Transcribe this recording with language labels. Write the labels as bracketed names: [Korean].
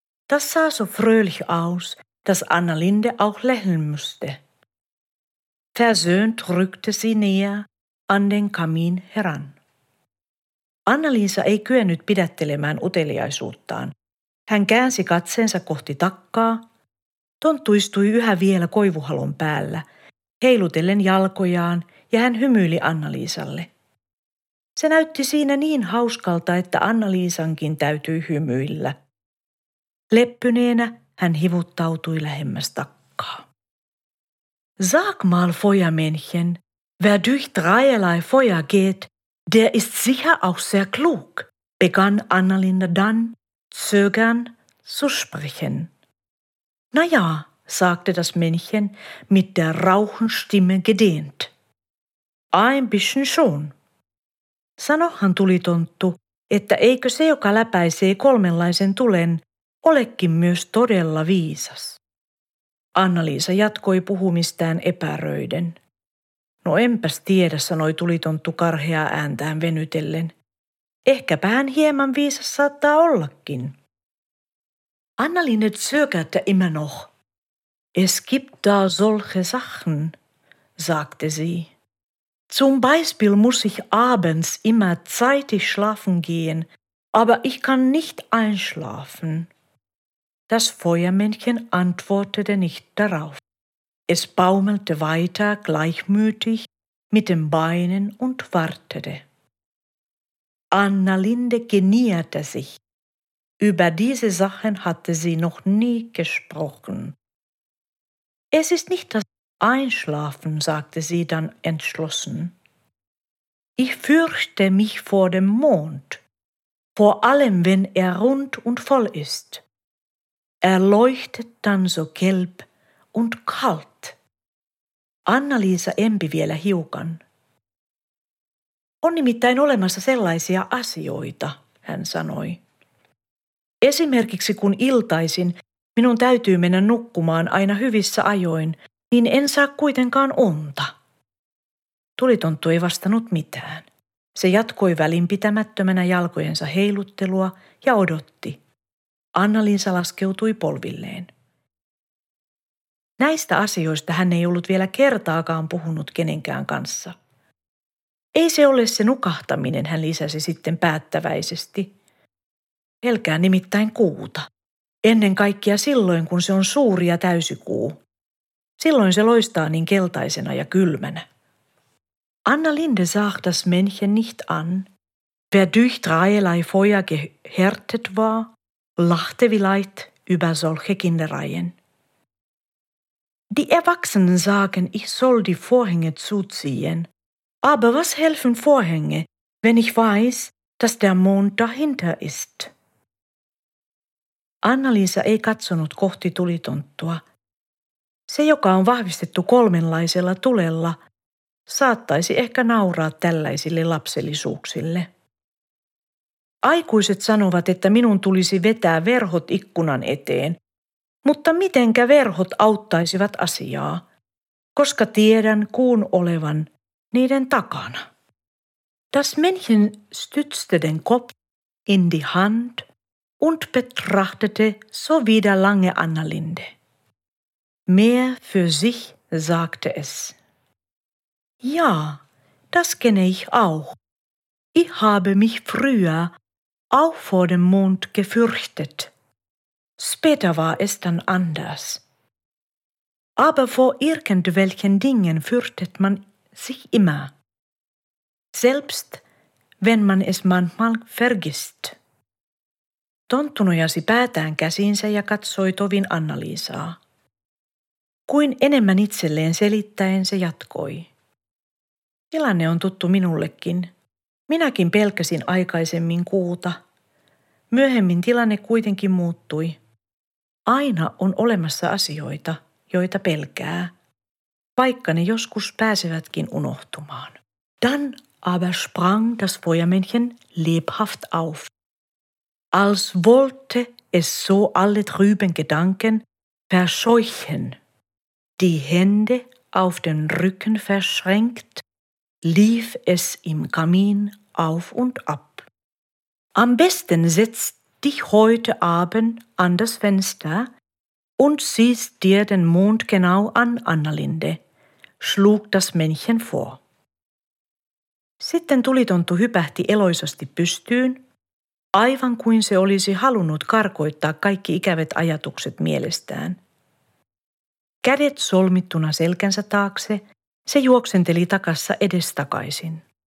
[German] Das sah so fröhlich aus, dass Annalinde auch lächeln musste. Versöhnt rückte sie näher an den Kamin heran. [Finnish] Anna-Liisa ei kyennyt pidättelemään uteliaisuuttaan. Hän käänsi katseensa kohti takkaa. Tonttu istui yhä vielä koivuhalon päällä, heilutellen jalkojaan, ja hän hymyili Anna-Liisalle. Se näytti siinä niin hauskalta, että Anna-Liisankin täytyi hymyillä. Leppyneenä hän hivuttautui lähemmäs takkaa. [German] Sag mal, Feuermännchen, wer durch dreierlei Feuer geht, der ist sicher auch sehr klug, begann Annalinda dann, zögernd zu sprechen. Na ja, sagte das Männchen mit der rauchen Stimme gedehnt. Ein bisschen schon. [Finnish] Sanohan tuli tonttu, että eikö se, joka läpäisee kolmenlaisen tulen, olekin myös todella viisas. Anna-Liisa jatkoi puhumistään epäröiden. No enpäs tiedä, sanoi tulitonttu karhea ääntään venytellen. Ehkäpä hän hieman viisas saattaa ollakin. [German] Anna-Liisa zögerte immer noch. Es gibt da solche Sachen, sagte sie. Zum Beispiel muss ich abends immer zeitig schlafen gehen, aber ich kann nicht einschlafen. Das Feuermännchen antwortete nicht darauf. Es baumelte weiter gleichmütig mit den Beinen und wartete. Annalinde genierte sich. Über diese Sachen hatte sie noch nie gesprochen. Es ist nicht das Einschlafen, sagte sie dann entschlossen. Ich fürchte mich vor dem Mond, vor allem wenn er rund und voll ist. Er leuchtet dann so gelb und kalt. [Finnish] Anna-Liisa empi vielä hiukan. On nimittäin olemassa sellaisia asioita, hän sanoi. Esimerkiksi kun iltaisin minun täytyy mennä nukkumaan aina hyvissä ajoin, niin en saa kuitenkaan unta. Tulitonttu ei vastannut mitään. Se jatkoi välinpitämättömänä jalkojensa heiluttelua ja odotti. Anna-Liisa laskeutui polvilleen. Näistä asioista hän ei ollut vielä kertaakaan puhunut kenenkään kanssa. Ei se ole se nukahtaminen, hän lisäsi sitten päättäväisesti. Pelkää nimittäin kuuta. Ennen kaikkea silloin, kun se on suuri ja täysikuu. Silloin se loistaa niin keltaisena ja kylmänä. [German] Anna-Linde sah das Männchen nicht an, wer durch dreierlei Feuer gehärtet war, lachte vielleicht über solche Kindereien. Die Erwachsenen sagen, ich soll die Vorhänge zuziehen. Aber was helfen Vorhänge, wenn ich weiß, dass der Mond dahinter ist? [Finnish] Anna-Liisa ei katsonut kohti tulitonttua. Se, joka on vahvistettu kolmenlaisella tulella, saattaisi ehkä nauraa tällaisille lapsellisuuksille. Aikuiset sanovat, että minun tulisi vetää verhot ikkunan eteen, mutta mitenkä verhot auttaisivat asiaa, koska tiedän kuun olevan niiden takana. [German] Das Männchen stützte den Kopf in die Hand und betrachtete so wieder lange Annalinde. Mehr für sich, sagte es. Ja, das kenne ich auch. Ich habe mich früher auch vor dem Mond gefürchtet. Später war es dann anders. Aber vor irgendwelchen Dingen fürchtet man sich immer. Selbst wenn man es manchmal vergisst. [Finnish] Tonttu nojasi päätään käsiinsä ja katsoi tovin Anna-Liisaa. Kuin enemmän itselleen selittäen se jatkoi. Tilanne on tuttu minullekin. Minäkin pelkäsin aikaisemmin kuuta. Myöhemmin tilanne kuitenkin muuttui. Aina on olemassa asioita, joita pelkää, vaikka ne joskus pääsevätkin unohtumaan. [German] Dann aber sprang das Feuermännchen lebhaft auf. Als wollte es so alle trüben Gedanken verscheuchen. Die Hände auf den Rücken verschränkt, lief es im Kamin auf und ab. Am besten setzt dich heute Abend an das Fenster und siehst dir den Mond genau an, Annalinde, schlug das Männchen vor. [Finnish] Sitten tulitonttu hypähti eloisasti pystyyn, aivan kuin se olisi halunnut karkoittaa kaikki ikävät ajatukset mielestään. Kädet solmittuna selkänsä taakse, se juoksenteli takassa edestakaisin.